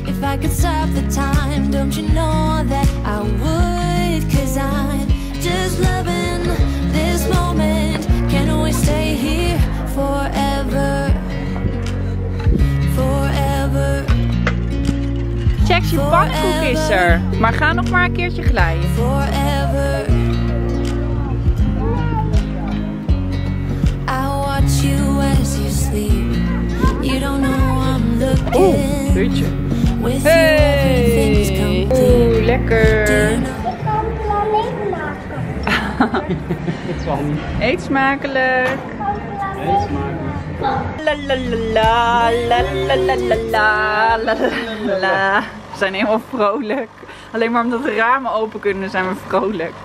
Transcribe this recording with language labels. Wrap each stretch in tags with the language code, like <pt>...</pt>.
<en>I could stop the time, don't you know that I would, cause I'm just loving this moment. Can we stay here forever, forever.</en> <nl>Check je bankboek is er, maar ga nog maar een keertje glijden.</nl> <en>Forever. I watch you as you sleep, you don't know I'm looking.</en> <nl>Oeh, beetje. Hey! Oeh, lekker! Ik kan een planeet maken. Eet smakelijk! Eet smakelijk! La la la la la la la la la la. We zijn helemaal vrolijk. Alleen maar omdat de ramen open kunnen zijn we vrolijk.</nl>